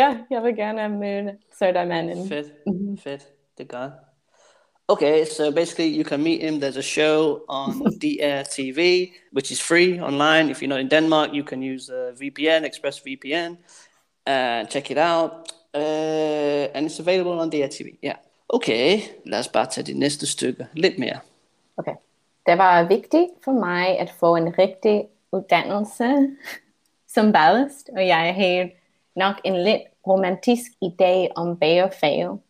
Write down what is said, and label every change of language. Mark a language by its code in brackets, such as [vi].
[da] Jeg vil gerne møde Sourdough-manden. Fedt, det gør. [en] Okay, so basically you can meet him. There's a show on DRTV, which is free online. If you're not in Denmark, you can use VPN, ExpressVPN, and check it out. And it's available on DRTV, yeah. [da] Okay, lad os bare tage det næste stykke lidt mere. Okay. Det var vigtigt for mig at få en rigtig uddannelse som ballast, og jeg havde nok en lidt romantisk idé om bagerfag.